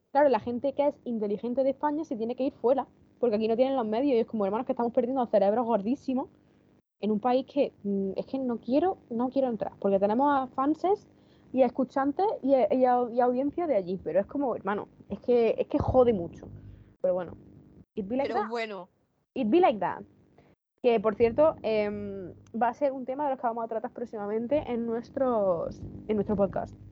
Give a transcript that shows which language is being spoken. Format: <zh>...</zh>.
<es>Claro, la gente que es inteligente de España se tiene que ir fuera, porque aquí no tienen los medios y es como, hermanos, que estamos perdiendo cerebros gordísimos. En un país que es que no quiero entrar, porque tenemos a fanses y a escuchantes y a audiencia de allí, pero es como, hermano, es que jode mucho. Pero bueno,</es> <en>it'd be like that.</en> <es>Que por cierto, va a ser un tema de los que vamos a tratar próximamente en nuestro podcast.</es>